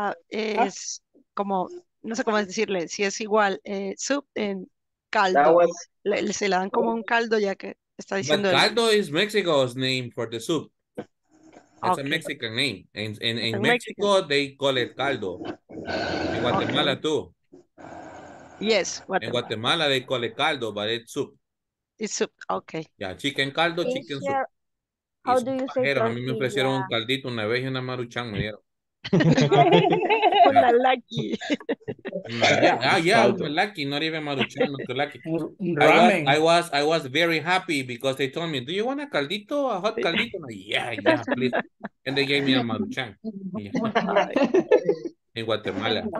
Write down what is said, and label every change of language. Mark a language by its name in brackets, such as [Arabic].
[Spanish] Es como, no sé cómo decirle, si es igual, [English] soup [Spanish] en caldo. [English] That was... [Spanish] se la dan como un caldo, ya que está diciendo... [English] But caldo is Mexico's name for the soup. It's a Mexican name. In Mexico, they call it caldo. In Guatemala, too. Yes, Guatemala. In Guatemala, they call it caldo, but it's soup. It's soup, okay. Yeah, chicken caldo, it's chicken soup. How do you say [Spanish] tortilla? A mí me ofrecieron un caldito una vez y una maruchan me dieron. La lucky. [English] Yeah, yeah, I was lucky, not even maruchan, not too lucky. I was very happy because they told me, do you want a caldito, a hot caldito? Like, yeah, yeah, please. And they gave me a maruchan. Yeah. In Guatemala.